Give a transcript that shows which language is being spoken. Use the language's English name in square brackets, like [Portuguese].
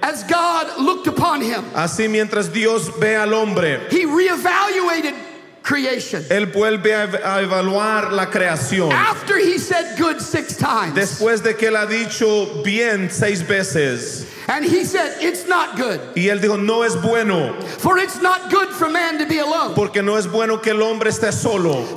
[English] As God looked upon him. [Spanish] Así mientras Dios ve al hombre. [English] He reevaluated creation. [Spanish] Él vuelve a evaluar la creación. [English] After he said good six times. [Spanish] Después de que él ha dicho bien seis veces. [English] And he said, it's not good. [Spanish] Y él dijo, no es bueno. [English] For it's not good for man to be alone. [Spanish] Porque no es bueno que el hombre esté solo.